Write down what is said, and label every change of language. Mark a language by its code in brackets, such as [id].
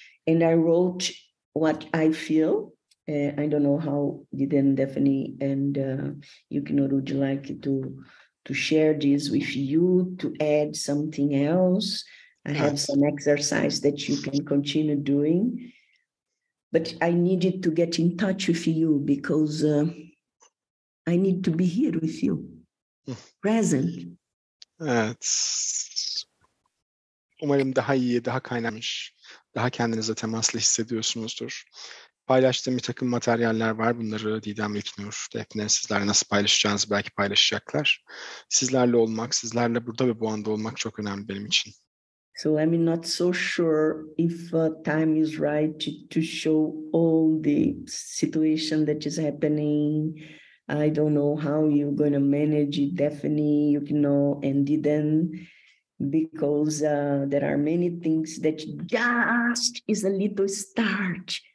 [en] And I wrote what I feel. I don't know how then definitely and you can or would you like to share this with you, to add something else. I have some exercise that you can continue doing. But I needed to get in touch with you because I need to be here with you, present. [tr] Evet. Umarım daha iyi, daha kaynamış, daha kendinize temaslı hissediyorsunuzdur. Paylaştığım bir takım materyaller var. Bunları Didem, İlknur, Defne sizlerle nasıl paylaşacağınızı belki paylaşacaklar. Sizlerle olmak, sizlerle burada ve bu anda olmak çok önemli benim için. [en] So I'm not so sure if time is right to show all the situation that is happening. I don't know how you're going to manage it, Daphne, you know, and Didem, because there are many things that just is a little start.